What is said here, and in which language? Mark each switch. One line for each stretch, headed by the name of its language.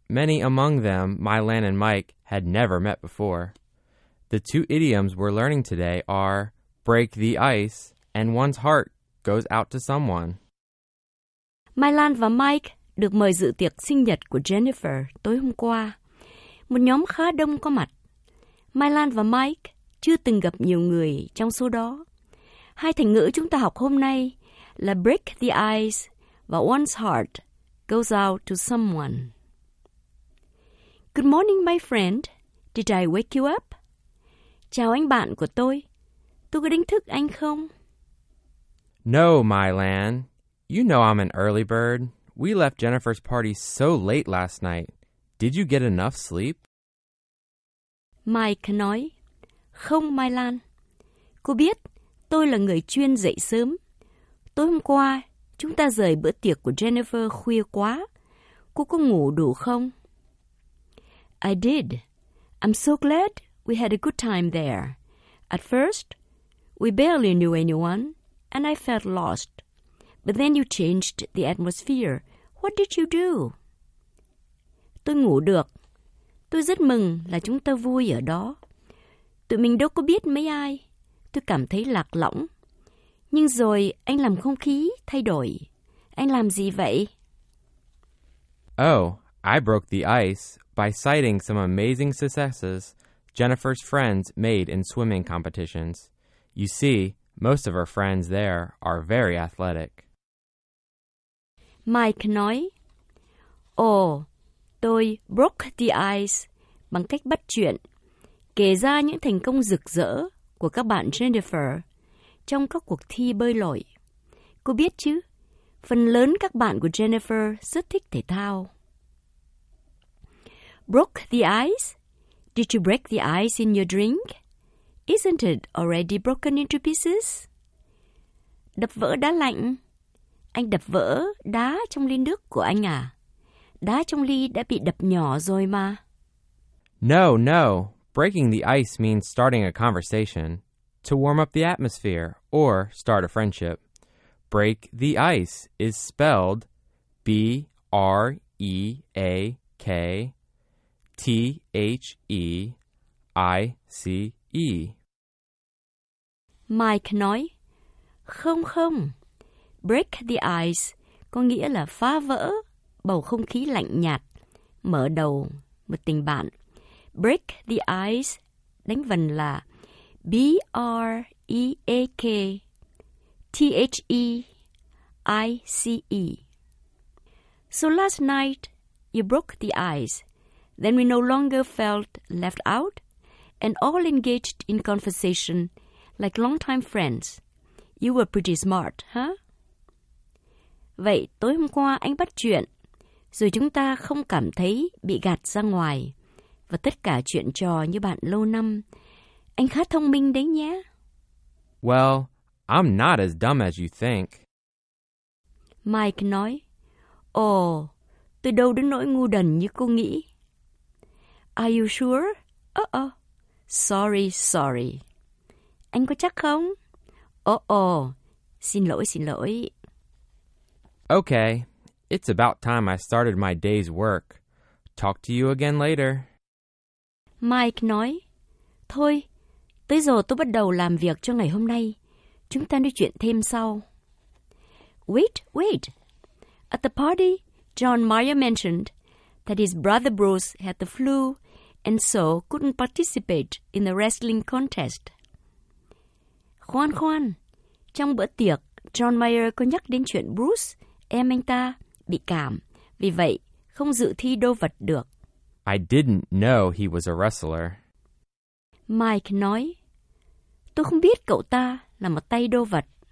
English: Many among them, Mylan and Mike, had never met before. The two idioms we're learning today are break the ice and one's heart goes out to someone.
Vietnamese: Mylan và Mike được mời dự tiệc sinh nhật của Jennifer tối hôm qua. Một nhóm khá đông có mặt. Mylan và Mike chưa từng gặp nhiều người trong số đó. Hai thành ngữ chúng ta học hôm nay là
English: break the ice
Vietnamese: và
English: one's heart goes out to someone. Good morning, my friend. Did I wake you up?
Vietnamese: Chào anh bạn của tôi. Tôi có đánh thức anh không?
English: No, Mylan. You know I'm an early bird. We left Jennifer's party so late last night. Did you get enough sleep?
Vietnamese: Mike nói, không Mylan. Cô biết, tôi là người chuyên dậy sớm. Tối hôm qua, chúng ta rời bữa tiệc của Jennifer khuya quá. Cô có ngủ đủ không?
English: I did. I'm so glad we had a good time there. At first, we barely knew anyone, and I felt lost. But then you changed the atmosphere. What did you do?
Vietnamese: Tôi ngủ được. Tôi rất mừng là chúng ta vui ở đó. Tụi mình đâu có biết mấy ai. Tôi cảm thấy lạc lõng. Nhưng rồi anh làm không khí thay đổi. Anh làm gì vậy?
English: Oh, I broke the ice by citing some amazing successes Jennifer's friends made in swimming competitions. You see, most of her friends there are very athletic.
Vietnamese: Mike nói, oh, tôi
English: broke the ice
Vietnamese: bằng cách bắt chuyện, kể ra những thành công rực rỡ của các bạn Jennifer trong các cuộc thi bơi lội. Cô biết chứ, phần lớn các bạn của Jennifer rất thích thể thao.
English: Broke the ice? Did you break the ice in your drink? Isn't it already broken into pieces?
Vietnamese: Đập vỡ đá lạnh. Anh đập vỡ đá trong ly nước của anh à? Đá trong ly đã bị đập nhỏ rồi mà.
English: No, no. Breaking the ice means starting a conversation, to warm up the atmosphere, or start a friendship. Break the ice is spelled B-R-E-A-K-T-H-E-I-C-E.
Vietnamese: Mike nói, không không.
English: Break the ice
Vietnamese: có nghĩa là phá vỡ bầu không khí lạnh nhạt, mở đầu một tình bạn.
English: Break the ice,
Vietnamese: đánh vần là B-R-E-A-K-T-H-E-I-C-E.
English: So last night, you broke the ice. Then we no longer felt left out and all engaged in conversation like longtime friends. You were pretty smart, huh?
Vietnamese: Vậy tối hôm qua anh bắt chuyện, rồi chúng ta không cảm thấy bị gạt ra ngoài. và tất cả chuyện trò như bạn lâu năm. Anh khá thông minh đấy nhé.
English: Well, I'm not as dumb as you think.
Vietnamese: Mike nói, Ồ, tôi đâu đến nỗi ngu đần như cô nghĩ.
English: Are you sure? Sorry.
Vietnamese: Anh có chắc không? Xin lỗi.
English: Okay, it's about time I started my day's work. Talk to you again later.
Vietnamese: Mike nói, Thôi, tới giờ tôi bắt đầu làm việc cho ngày hôm nay. Chúng ta nói chuyện thêm sau.
English: Wait. At the party, John Mayer mentioned that his brother Bruce had the flu and so couldn't participate in the wrestling contest.
Vietnamese: Khoan, trong bữa tiệc, John Mayer có nhắc đến chuyện Bruce, em anh ta, bị cảm, vì vậy không dự thi đô vật được.
English: I didn't know he was a wrestler.
Vietnamese: Mike nói, tôi không biết cậu ta là một tay đô vật.